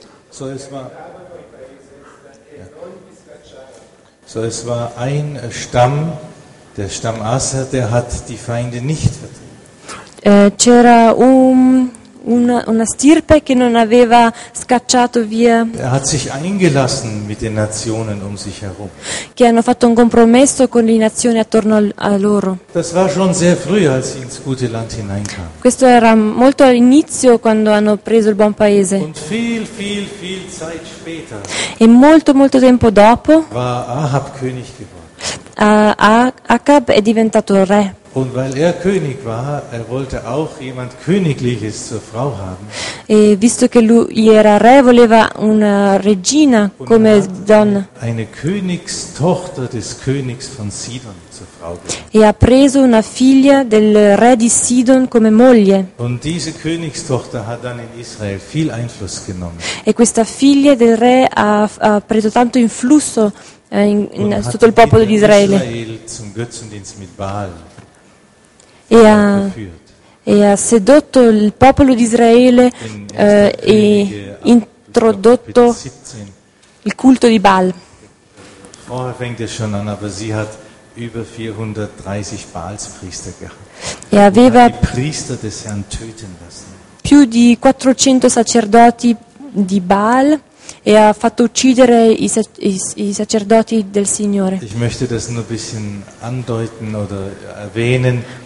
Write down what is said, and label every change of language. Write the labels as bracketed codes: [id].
[de] So es war. So, es war ein Stamm, der Stamm Asser, der hat die Feinde nicht vertrieben. [it] C'era una stirpe che non aveva scacciato via. [de] Er hat sich eingelassen mit den Nationen um sich herum. [it] Che hanno fatto un compromesso con le nazioni attorno a loro. [de] Das war schon sehr früh, als sie ins gute Land hineinkam. [it] Questo era molto all'inizio quando hanno preso il buon paese. [de] Und viel, viel, viel Zeit später. [it] E molto, molto tempo dopo. [de] War Ahab König geworden. [it] Ahab è diventato re. [de] Und weil er König war, er wollte auch jemand Königliches zur Frau haben. [it] E visto che lui era re, voleva una regina come donna. [de] Eine Königstochter des Königs von Sidon zur Frau. [it] E ha preso una figlia del re di Sidon come moglie. [de] Und diese Königstochter hat dann in Israel viel Einfluss genommen. [it] E questa figlia del re ha preso tanto influsso in tutto il popolo di Israele. [de] Israel zum Götzendienst mit Baal. [it] E ha sedotto il popolo di Israele e introdotto il culto di Baal. [de] Vorher fängt es schon an, aber sie hat über 430 Baalspriester gehabt. [it] E aveva [de] i priester des Herrn töten lassen. [it] Più di 400 sacerdoti di Baal e ha fatto uccidere i sacerdoti del Signore. [de] Ich möchte das nur ein bisschen andeuten oder erwähnen.